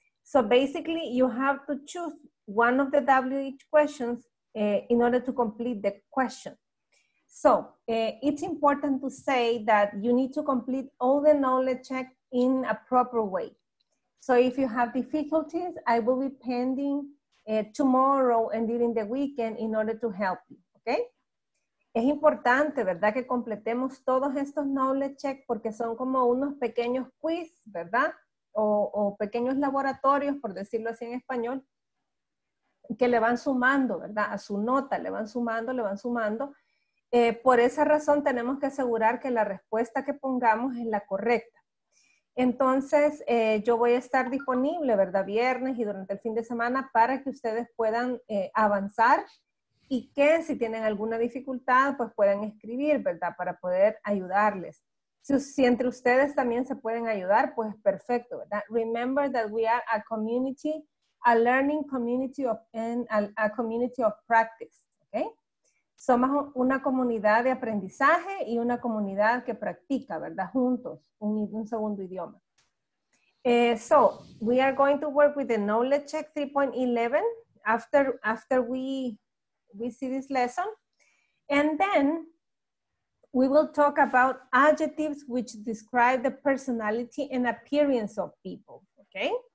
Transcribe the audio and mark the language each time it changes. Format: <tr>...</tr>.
<en>So basically you have to choose one of the WH questions in order to complete the question. So it's important to say that you need to complete all the knowledge check in a proper way. So if you have difficulties, I will be pending tomorrow and during the weekend in order to help you, okay?</en> <es>Es importante, ¿verdad?, que completemos todos estos knowledge check porque son como unos pequeños quiz, ¿verdad?, o pequeños laboratorios, por decirlo así en español, que le van sumando, ¿verdad?, a su nota, le van sumando. Por esa razón tenemos que asegurar que la respuesta que pongamos es la correcta. Entonces, yo voy a estar disponible, ¿verdad? Viernes y durante el fin de semana para que ustedes puedan avanzar y que si tienen alguna dificultad, pues puedan escribir, ¿verdad? Para poder ayudarles. Si entre ustedes también se pueden ayudar, pues perfecto, ¿verdad?</es> <en>Remember that we are a community, a learning community of, and a community of practice, ¿okay?</en> <es>Somos una comunidad de aprendizaje y una comunidad que practica, ¿verdad? Juntos, un segundo idioma.</es> <en>So, we are going to work with the knowledge check 3.11 after we see this lesson. And then, we will talk about adjectives which describe the personality and appearance of people, okay?</en>